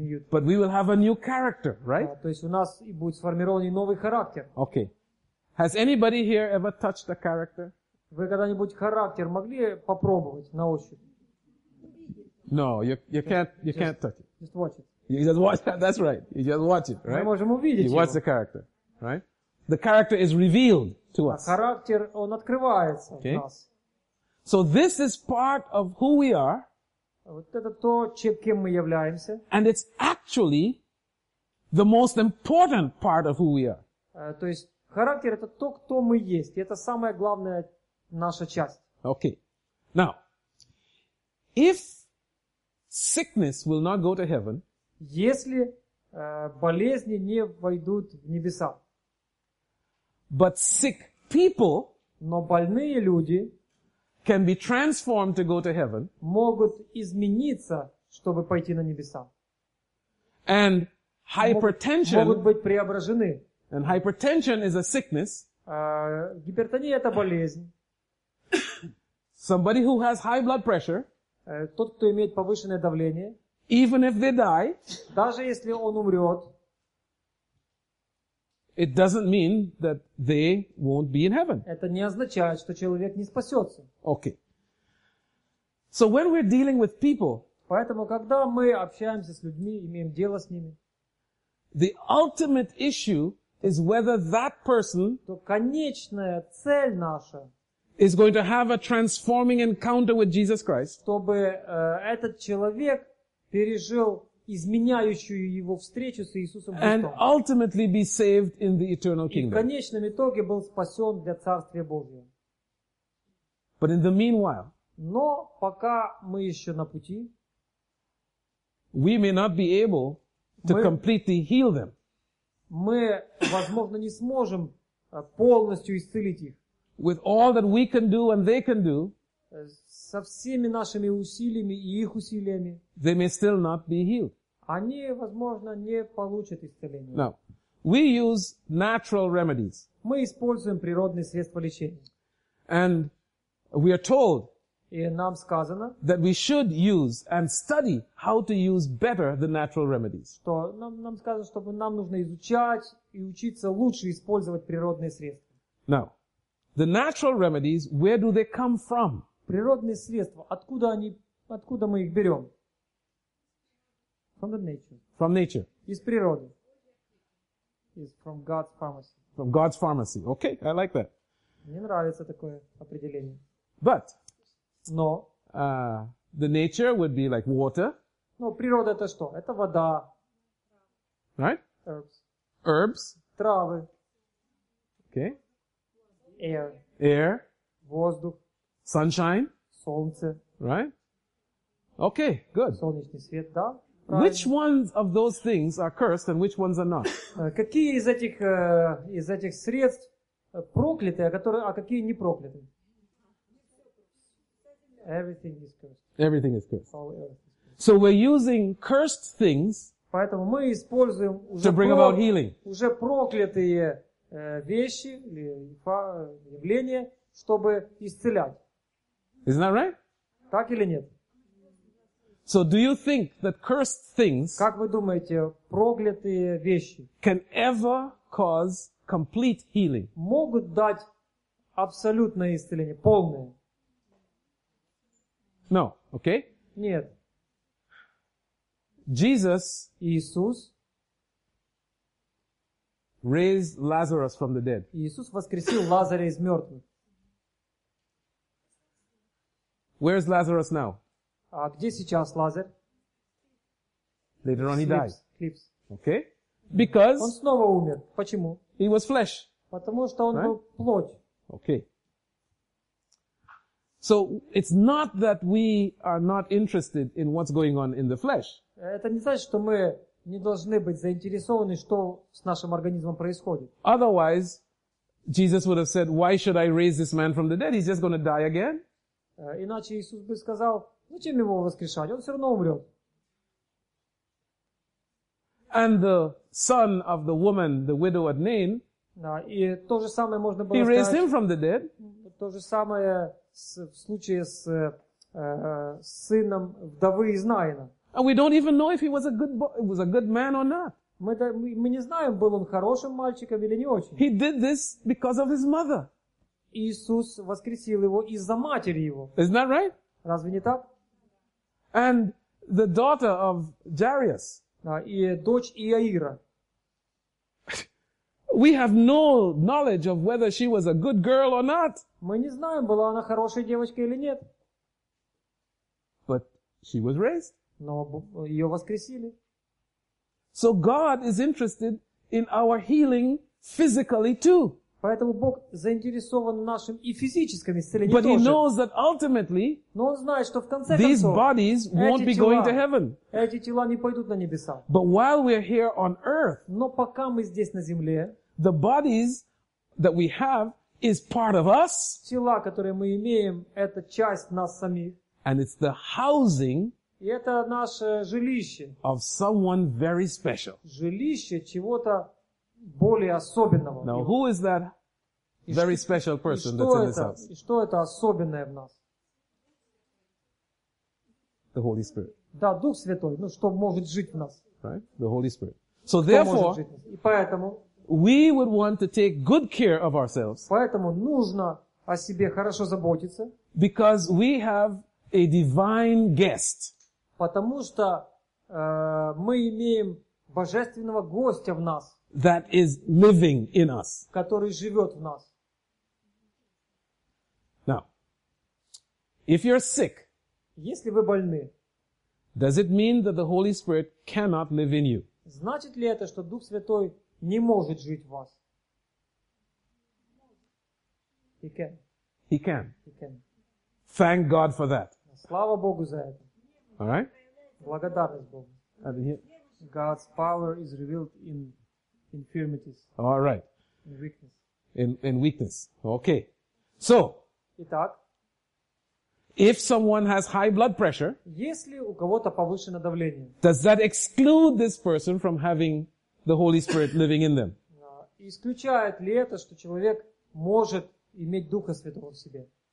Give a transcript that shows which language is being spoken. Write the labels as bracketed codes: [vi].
[en] But we will have a new character, right? [ru] То есть у нас будет сформированный новый характер. [en] Okay. Has anybody here ever touched a character? [ru] Вы когда-нибудь характер могли попробовать на ощупь? [en] No, you can't touch it. Just watch it. You just watch that. That's right. You just watch it, right? [ru] Мы можем увидеть его. [en] You watch the character, right? The character is revealed to us. [ru] А характер он открывается [en] okay. [ru] в нас. [en] So this is part of who we are. [ru] Вот это то, кем мы являемся. [en] And it's actually the most important part of who we are. [ru] То есть характер это то, кто мы есть. И это самая главная наша часть. [en] Okay. Now, if sickness will not go to heaven, [ru] если болезни не войдут в небеса, [en] but sick people, [ru] но больные люди, [en] can be transformed to go to heaven. [ru] Могут измениться, чтобы пойти на небеса. [en] And hypertension. [ru] Могут быть преображены. [en] And hypertension is a sickness. [ru] Гипертония это болезнь. [en] Somebody who has high blood pressure. [ru] Тот, кто имеет повышенное давление. [en] Even if they die. [ru] Даже если он умрет. [en] It doesn't mean that they won't be in heaven. [ru] Это не означает, что человек не спасется. [en] Okay. So when we're dealing with people, [ru] поэтому когда мы общаемся с людьми, имеем дело с ними, [en] the ultimate issue is whether that person, [ru] то конечная цель наша, [en] is going to have a transforming encounter with Jesus Christ. [ru] Чтобы этот человек пережил изменяющую его встречу с Иисусом Христом. [en] And ultimately be saved in the eternal kingdom. [ru] И в конечном итоге был спасен для Царствия Божьего. [en] But in the meanwhile, [ru] но пока мы еще на пути, [en] we may not be able to completely heal them. [ru] Мы, возможно, не сможем полностью исцелить их. [en] With all that we can do and they can do, [ru] со всеми нашими усилиями и их усилиями, [en] they may still not be healed. [ru] Они, возможно, не получат исцеления. [en] Now, we use natural remedies. [ru] Мы используем природные средства лечения. [en] And we are told, [ru] и нам сказано, [en] that we should use and study how to use better the natural remedies. [ru] Что нам сказано, чтобы нам нужно изучать и учиться лучше использовать природные средства. [en] Now, the natural remedies, where do they come from? [ru] Природные средства, откуда мы их берем? [en] From the nature. From nature. [ru] Из природы. [en] Is from God's pharmacy. From God's pharmacy. Okay, I like that. [ru] Мне нравится такое определение. [en] But. [ru] Но. [en] the nature would be like water. [ru] Ну, природа это что? Это вода. [en] Right? Herbs. Herbs. [ru] Травы. [en] Okay. Air. Air. [ru] Воздух. [en] Sunshine. [ru] Солнце. [en] Right? Okay, good. [ru] Солнечный свет, да. [en] Which ones of those things are cursed and which ones are not? [ru] Какие из этих средств прокляты, а какие не прокляты? [en] Everything is cursed. Everything is cursed. So we're using cursed things [ru] Поэтому мы используем [en] to bring about healing. [ru] Уже проклятые вещи или явления, чтобы исцелять. [en] Isn't that right? [ru] Так или нет? [en] So do you think that cursed things [ru] Как вы думаете, проклятые вещи [en] can ever cause complete healing? [ru] Могут дать абсолютное исцеление, полное? [en] No, okay? [ru] Нет. [en] Jesus [ru] Иисус [en] raised Lazarus from the dead. [ru] Иисус воскресил Лазаря из мертвых. [en] Where is Lazarus now? [ru] А где сейчас Лазарь? [en] Later on he Sleeps. Died. Sleeps. Okay? Because [ru] Он снова умер. Почему? [en] He was flesh. [ru] Потому что он был плоть. [en] Okay. So it's not that we are not interested in what's going on in the flesh. [ru] Это не значит, что мы не должны быть заинтересованы, что с нашим организмом происходит. [en] Otherwise, Jesus would have said, "Why should I raise this man from the dead? He's just going to die again." [ru] Иначе Иисус бы сказал, зачем его воскрешать? Он все равно умрет. [en] And the son of the woman, the widow at Nain, [ru] да, и то же самое можно было [en] he [ru] сказать, [en] raised him from the dead. [ru] То же самое в случае с сыном вдовы из Наина. [en] And we don't even know if he was a good boy, was a good man or not. [ru] Мы не знаем, был он хорошим мальчиком или не очень. [en] He did this because of his mother. [ru] Иисус воскресил его из-за матери его. [en] Isn't that right? [ru] Разве не так? [en] And the daughter of Jairus. [ru] Да, и дочь Иаира. [en] We have no knowledge of whether she was a good girl or not. [ru] Мы не знаем, была она хорошей девочкой или нет. [en] But she was raised. [ru] Но ее воскресили. [en] So God is interested in our healing physically too. [ru] Поэтому Бог заинтересован в нашем и физическом исцелении [en] But [ru] тоже. [en] He knows that ultimately, [ru] Но он знает, что в конце [en] these [ru] концов [en] bodies won't be going to heaven. [ru] Эти тела не пойдут на небеса. [en] But while we're here on earth, [ru] Но пока мы здесь на земле, [en] the bodies that we have is part of us, [ru] тела, которые мы имеем, это часть нас самих. [en] And it's the housing [ru] И это наше жилище. [en] Of someone very special. [ru] Жилище чего-то более особенного. [en] Now, who is that very special person that's in this house? [ru] И что это особенное в нас? [en] The Holy Spirit. [ru] Да, Дух Святой. Ну, что может жить в нас? [en] Right? The Holy Spirit. So therefore, [ru] и поэтому, [en] we would want to take good care of ourselves. [ru] Поэтому нужно о себе хорошо заботиться. [en] Because we have a divine guest. [ru] Потому что мы имеем божественного гостя в нас. [en] That is living in us. [ru] Который живет в нас. [en] Now, if you're sick, [ru] если вы больны, [en] does it mean that the Holy Spirit cannot live in you? [ru] Значит ли это, что Дух Святой не может жить в вас? [en] He can. He can. He can. Thank God for that. [ru] Слава Богу за это. [en] All right? [ru] Благодарность Богу. [en] God's power is revealed in infirmities. All right. In weakness. In weakness. Okay. So, [ru] Итак, [en] if someone has high blood pressure, [ru] если у кого-то повышено давление, [en] does that exclude this person from having the Holy Spirit living in them? [ru] Исключает ли это, что человек может иметь Духа Святого в себе?